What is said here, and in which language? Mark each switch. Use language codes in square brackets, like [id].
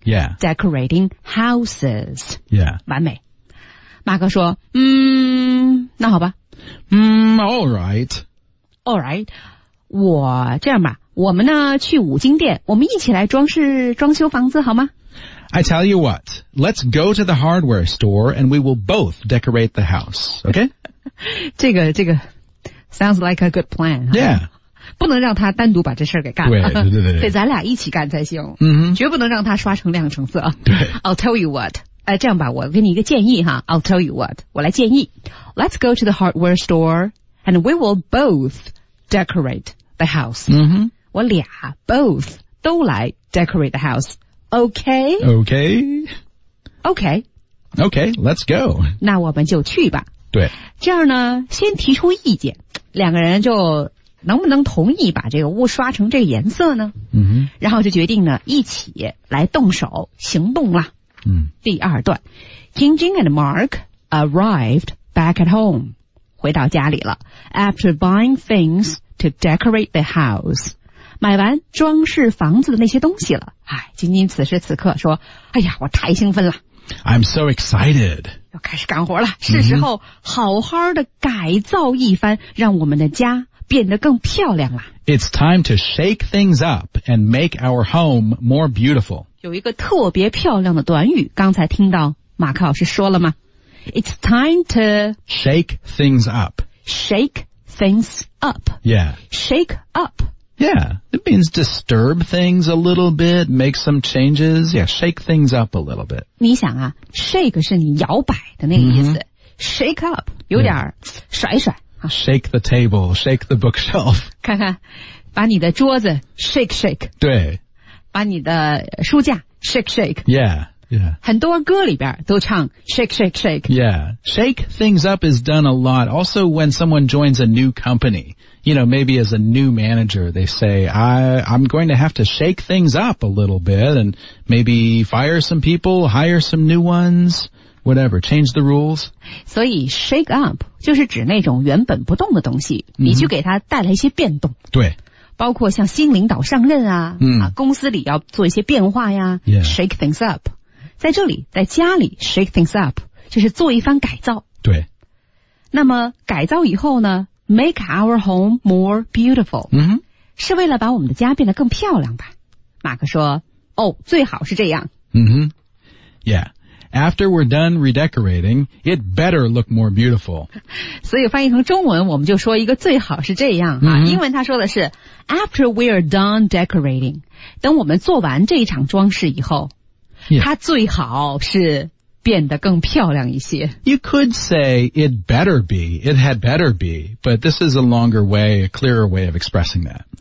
[en] Yeah. Decorating houses. Yeah. [zh] 完美。马哥说那好吧。 [en] Alright. [zh] Alright. 我这样吧。我们呢去五金店，我们一起来装饰装修房子好吗 [en] ？I tell you what, let's go to the hardware store and we will both decorate the house. Okay? 这个 sounds like a good plan. Yeah. [zh] 不能让他单独把这事儿给干了。对对对对，得咱俩一起干才行。嗯哼，绝不能让他刷成亮橙色。对 [en] ，I'll tell you what。 [zh] 哎，这样吧，我给你一个建议哈。 [en] I'll tell you what， [zh] 我来建议。 [en] Let's go to the hardware store and we will both decorate the house。嗯哼， [zh] 我俩 both 都来 [en] decorate the house。 [zh] Okay. [en] Okay. Okay. Okay. Let's go. [zh] 那我们就去吧。对。这样呢，先提出意见，两个人就能不能同意把这个屋刷成这个颜色呢？嗯哼。然后就决定呢，一起来动手行动啦。嗯。第二段 [en] ，King Jing and Mark arrived back at home， [zh] 回到家里了。 [en] After buying things to decorate the house。 [zh] 买完装饰房子的那些东西了，哎，仅仅此时此刻说，哎呀，我太兴奋了。 [en] I'm so excited. [zh] 要开始干活了，是时候好好的改造一番，让我们的家变得更漂亮了。 [en] It's time to shake things up and make our home more beautiful. [zh] 有一个特别漂亮的短语，刚才听到马克老师说了吗？ [en] It's time to shake things up. Shake things up. Yeah. Shake up. Yeah, it means disturb things a little bit, make some changes. Yeah, shake things up a little bit. [zh] 你想啊 ，shake 是你摇摆的那个意思、mm-hmm. ，shake up 有点甩甩、yeah. 啊。 [en] Shake the table, shake the bookshelf. [zh] 看看，把你的桌子 shake shake. 对，把你的书架 shake shake. [en] Yeah, yeah. [zh] 很多歌里边都唱 [en] shake shake shake. Yeah, shake things up is done a lot. Also, when someone joins a new company. You know, maybe as a new manager, they say, I'm going to have to shake things up a little bit and maybe fire some people, hire some new ones, whatever, change the rules. [zh] 所以 shake up 就是指那种原本不动的东西、mm-hmm. 你去给它带来一些变动。对。包括像新领导上任 啊,、 mm-hmm. 啊公司里要做一些变化呀、 [en] yeah. shake things up. [zh] 在这里在家里 shake things up, 就是做一番改造。对。那么改造以后呢 [en] Make our home more beautiful. 嗯、mm-hmm. [zh] 是为了把我们的家变得更漂亮吧。马克说哦、oh, 最好是这样。嗯、mm-hmm. Yeah. [en] After we're done redecorating, it better look more beautiful. [zh] 所以翻译成中文我们就说一个最好是这样、mm-hmm. 啊。英文他说的是 [en] After we're done decorating, [zh] 等我们做完这一场装饰以后、 [en] yeah. [zh] 它最好是变得更漂亮一些。 [en] You could say it better be, it had better be, but this is a longer way, a clearer way of expressing that.